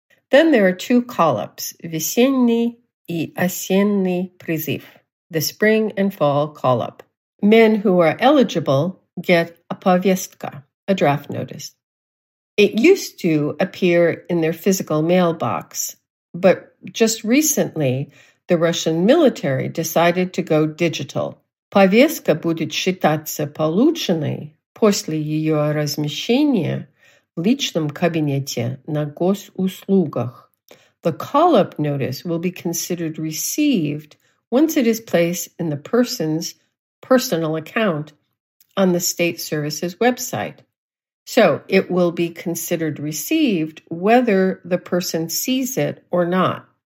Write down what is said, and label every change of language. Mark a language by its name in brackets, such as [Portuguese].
[English] Then there are two call-ups, [Russian] весенний и осенний призыв, [English] the spring and fall call-up. Men who are eligible get a [Russian] повестка, [English] a draft notice. It used to appear in their physical mailbox, but just recently, the Russian military decided to go digital. [Russian] Повестка будет считаться полученной после ее размещения в личном кабинете на госуслугах. [English] The call-up notice will be considered received once it is placed in the person's personal account on the state service's website. So it will be considered received whether the person sees it or not.